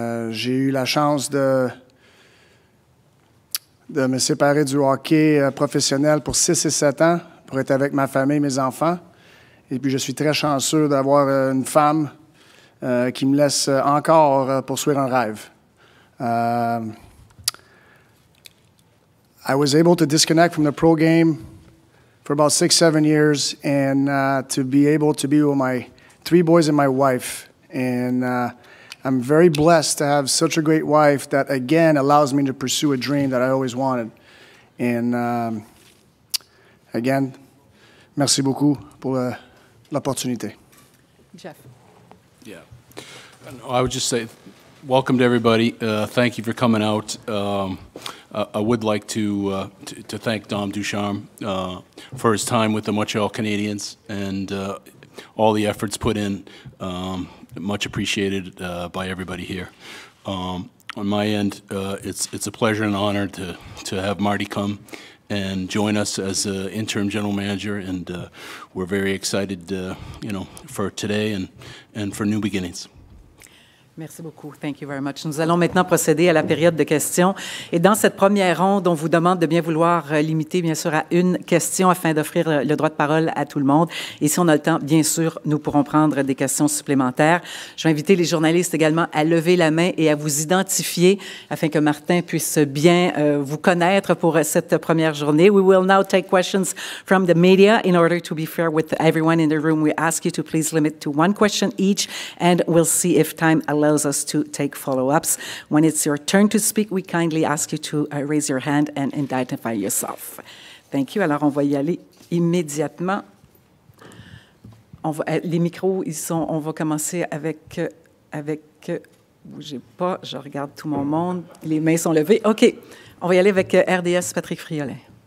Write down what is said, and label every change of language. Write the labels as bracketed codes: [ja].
[fr] J'ai eu la chance de me séparer du hockey professionnel pour 6 et 7 ans pour être avec ma famille, mes enfants. Et puis, je suis très chanceux d'avoir une femme qui me laisse encore poursuivre un rêve. [en] I was able to disconnect from the pro game for about 6-7 years and to be able to be with my three boys and my wife. And I'm very blessed to have such a great wife that, again, allows me to pursue a dream that I always wanted. And again, [fr] merci beaucoup pour le... L'opportunité. [en] Jeff. Yeah. No, I would just say welcome to everybody. Thank you for coming out. I would like to thank Dom Ducharme for his time with the Montreal Canadiens and all the efforts put in. Much appreciated by everybody here. On my end, it's a pleasure and honor to have Marty come and join us as an interim general manager, and we're very excited, you know, for today and for new beginnings. [fr] Merci beaucoup. [en] Thank you very much. [fr] Nous allons maintenant procéder à la période de questions. Et dans cette première ronde, on vous demande de bien vouloir limiter, bien sûr, à une question afin d'offrir le droit de parole à tout le monde. Et si on a le temps, bien sûr, nous pourrons prendre des questions supplémentaires. Je vais inviter les journalistes également à lever la main et à vous identifier afin que Martin puisse bien vous connaître pour cette première journée. [en] We will now take questions from the media. In order to be fair with everyone in the room, we ask you to please limit to one question each, and we'll see if time allows us to take follow-ups. When it's your turn to speak, we kindly ask you to raise your hand and identify yourself. Thank you. [fr] Alors, on va y aller immédiatement. On va, les micros, ils sont, on va commencer avec, bougez pas, je regarde tout mon monde, les mains sont levées. OK, on va y aller avec RDS Patrick Friolet.